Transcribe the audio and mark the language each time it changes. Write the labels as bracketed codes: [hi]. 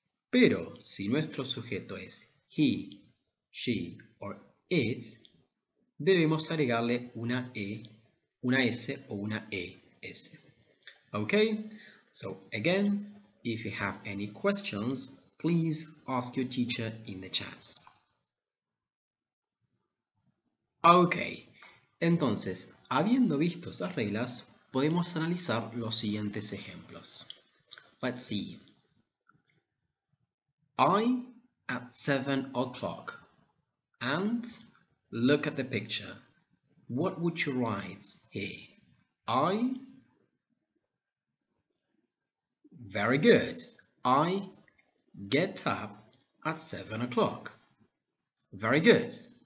[es] Pero si nuestro sujeto es he, she, or it, debemos agregarle una e, una s o una es. Okay? [en] So again, if you have any questions, please ask your teacher in the chat. Okay. [es] Entonces, habiendo visto esas reglas, podemos analizar los siguientes ejemplos. [en] Let's see. I at 7 o'clock and look at the picture. What would you write here? I. Very good. I get up at 7 o'clock. Very good.